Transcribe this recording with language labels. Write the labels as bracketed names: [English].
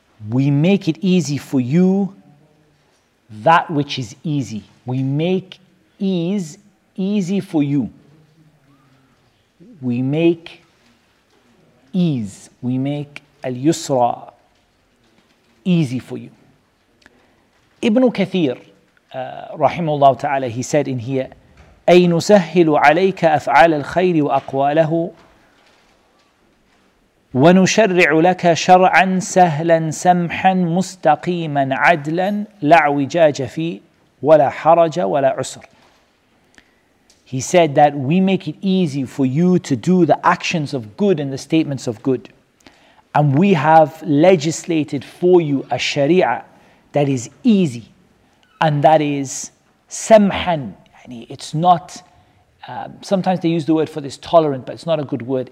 [English] We make it easy for you that which is easy. We make ease easy for you. We make ease. We make al-yusra easy for you. Ibn Kathir, rahimahullah ta'ala, he said in here, [Arabic] أي نسهل عليك أفعال الخير وأقواله ونشرع لك شرعا سهلا سمحا مستقيما عدلا لا عوجاج فيه ولا حرج ولا عسر. [English] He said that we make it easy for you to do the actions of good and the statements of good, and we have legislated for you a sharia that is easy, and that is samhan. It's not, sometimes they use the word for this tolerant, but it's not a good word.